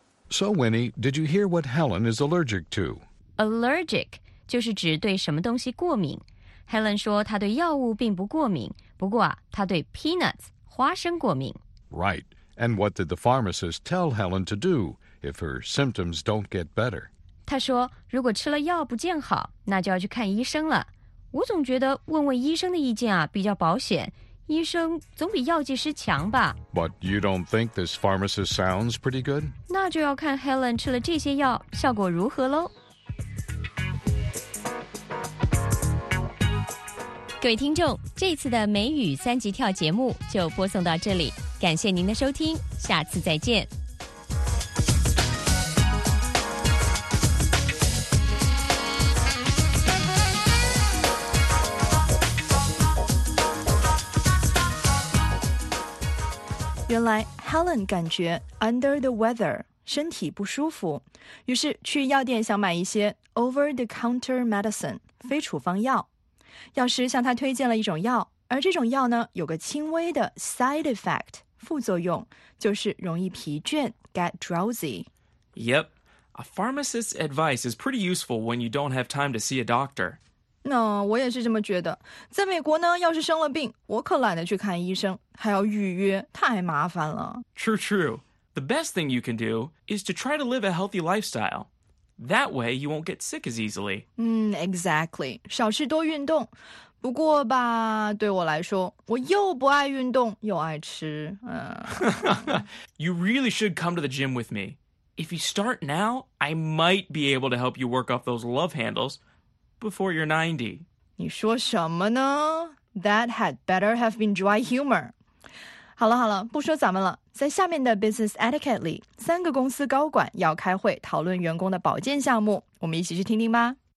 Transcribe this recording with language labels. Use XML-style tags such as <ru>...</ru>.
<en>So, Winnie, did you hear what Helen is allergic to?</en> <zh>Allergic 就是指对什么东西过敏。Helen 说她对药物并不过敏，不过啊，她对 peanuts 花生过敏。</zh> <en>Right. And what did the pharmacist tell Helen to do if her symptoms don't get better?</en> <zh>他说，如果吃了药不见好，那就要去看医生了。我总觉得问问医生的意见啊，比较保险。医生总比药剂师强吧。</zh> <en>But you don't think this pharmacist sounds pretty good?</en> <zh>那就要看 Helen 吃了这些药，效果如何喽。各位听众，这次的美语三级跳节目就播送到这里，感谢您的收听，下次再见。原来 Helen 感觉</zh> <en>under the weather</en> <zh>身体不舒服，于是去药店想买一些</zh> <en>over the counter medicine</en> <zh>非处方药。药师向他推荐了一种药，而这种药呢有个轻微的</zh> <en>side effect</en> <zh>副作用，就是容易疲倦</zh> <en>get drowsy。 Yep, a pharmacist's advice is pretty useful when you don't have time to see a doctor.</en> <zh>那我也是这么觉得，在美国呢，要是生了病，我可懒得去看医生，还要预约，太麻烦了。</zh> <en>True, true. The best thing you can do is to try to live a healthy lifestyle. That way, you won't get sick as easily. Exactly.</en> <zh>少吃多运动。不过吧，对我来说，我又不爱运动，又爱吃。</zh> <en>You really should come to the gym with me. If you start now, I might be able to help you work off those love handles before you're 90.</en> <zh>你说什么呢？</zh> <en>That had better have been dry humor.</en> <zh>好了好了，不说咱们了。在下面的</zh> <en>business etiquette</en> <zh>里，三个公司高管要开会讨论员工的保健项目，我们一起去听听吧。</zh>